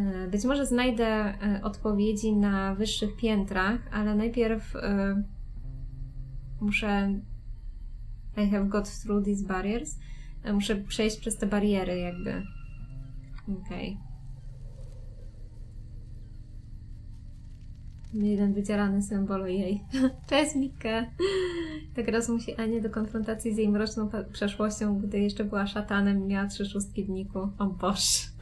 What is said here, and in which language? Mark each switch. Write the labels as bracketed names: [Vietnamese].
[Polish] Być może znajdę odpowiedzi na wyższych piętrach, ale najpierw muszę... [English] I have got through these barriers. [Polish] Muszę przejść przez te bariery jakby. Okej. Jeden wydzielany symbol jej. Cześć, Mikke! Tak raz musi Ania do konfrontacji z jej mroczną przeszłością, gdy jeszcze była szatanem i miała 3/6 w dniku. O Boże!